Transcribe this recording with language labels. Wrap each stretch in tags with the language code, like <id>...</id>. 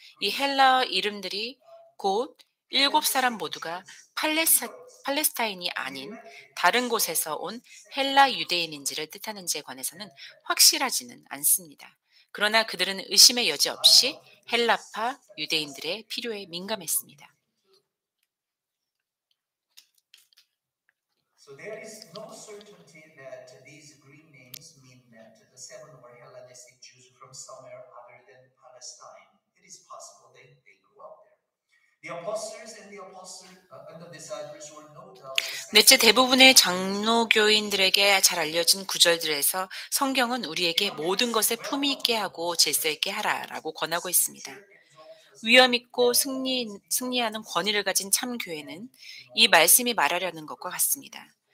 <ko>이 헬라어 이름들이 곧 일곱 사람 모두가 팔레스타인이 아닌 다른 곳에서 온 헬라 유대인인지를 뜻하는지에 관해서는 확실하지는 않습니다. 그러나 그들은 의심의 여지 없이 헬라파 유대인들의 필요에 민감했습니다.</ko> <en>So there is no certainty that these Greek names mean that the seven were Hellenistic Jews from somewhere other than Palestine. It is possible that they grew up there. The apostles and the disciples were no doubt.</en> <ko>넷째, 대부분의 장로교인들에게 잘 알려진 구절들에서 성경은 우리에게 모든 것에 품위 있게 하고 질서 있게 하라라고 권하고 있습니다. 위엄 있고 승리하는 권위를 가진 참 교회는 이 말씀이 말하려는 것과 같습니다.</ko>